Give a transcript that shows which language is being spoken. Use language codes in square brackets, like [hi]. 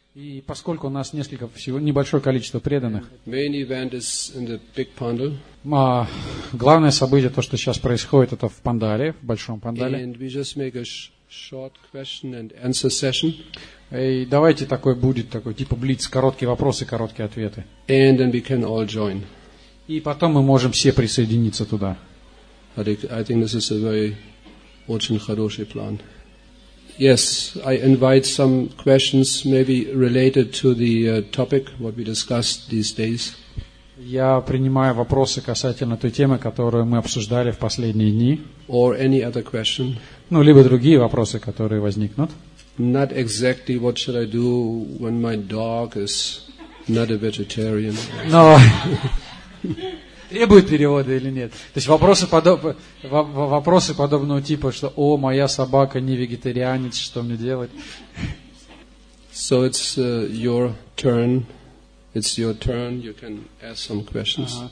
[ru] И поскольку у нас несколько всего небольшое количество преданных, [en] main event is in the big pandal. [ru] Главное событие, то, что сейчас происходит, это в Пандале, в большом Пандале. [en] And we just make a short question and answer session. [ru] И давайте такой будет, такой типа блиц, короткие вопросы, короткие ответы. [en] And then we can all join. [ru] И потом мы можем все присоединиться туда. [en] I think this is a very [ru] очень хороший план. [en] Yes, I invite some questions, maybe related to the topic what we discussed these days. [ru] Я принимаю вопросы касательно той темы, которую мы обсуждали в последние дни. [en] Or any other question. [ru] Ну либо другие вопросы, которые возникнут. [en] Not exactly what should I do when my dog is not a vegetarian. No. [ru] Требует перевода или нет? То есть вопросы подобного типа, что «О, моя собака не вегетарианец, что мне делать?» [en] So it's your turn. It's your turn. You can ask some questions.